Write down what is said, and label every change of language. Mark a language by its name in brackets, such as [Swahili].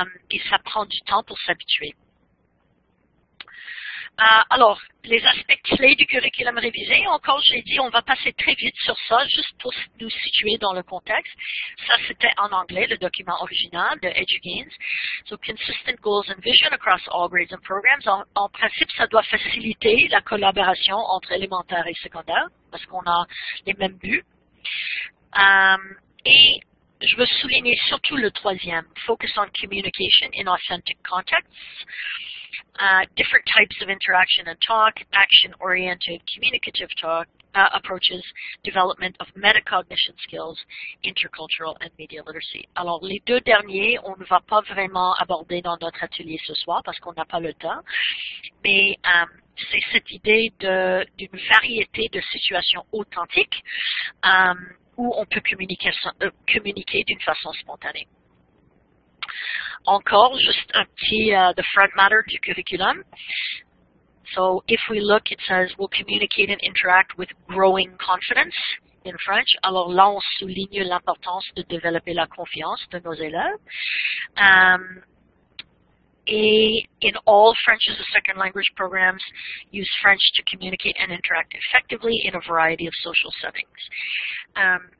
[French] Et ça prend du temps pour s'habituer. Alors, les aspects clés du curriculum révisé, encore j'ai dit, on va passer très vite sur ça, juste pour nous situer dans le contexte. Ça, c'était en anglais, le document original de EduGains. [English] So, consistent goals and vision across all grades and programs. [French] En principe, ça doit faciliter la collaboration entre élémentaire et secondaire, parce qu'on a les mêmes buts. Et je veux souligner surtout le troisième, [English] focus on communication in authentic contexts. Different types of interaction and talk, action-oriented communicative talk approaches, development of metacognition skills, intercultural and media literacy. [French] Alors, les deux derniers, on ne va pas vraiment aborder dans notre atelier ce soir parce qu'on n'a pas le temps, mais c'est cette idée d'une variété de situations authentiques où on peut communiquer d'une façon spontanée. Encore, juste un petit [English] the front matter [French] du curriculum. [English] So, if we look, it says, we'll communicate and interact with growing confidence in French. [French] Alors là, on souligne l'importance de développer la confiance de nos élèves. Et [English] in all French as a second language programs, use French to communicate and interact effectively in a variety of social settings.